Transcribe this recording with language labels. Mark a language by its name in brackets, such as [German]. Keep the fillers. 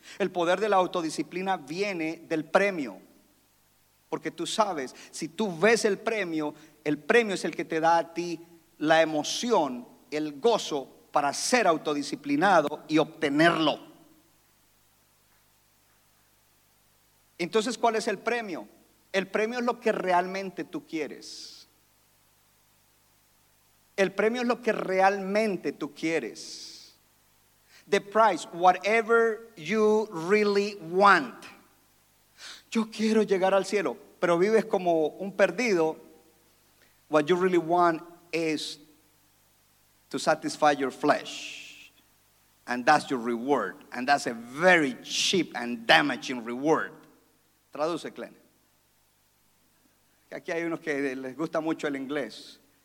[Spanish] El poder de la autodisciplina viene del premio, porque tú sabes, si tú ves el premio, el premio es el que te da a ti la emoción, el gozo para ser autodisciplinado y obtenerlo. Entonces, ¿cuál es el premio? El premio es lo que realmente tú quieres. El premio es lo que realmente tú quieres. [English] The price, whatever you really want. [Spanish] Yo quiero llegar al cielo, pero vives como un perdido. [English] What you really want is to satisfy your flesh. And that's your reward. And that's a very cheap and damaging reward. [Spanish] Traduce, Glenn. Que Aquí hay unos que les gusta mucho el inglés.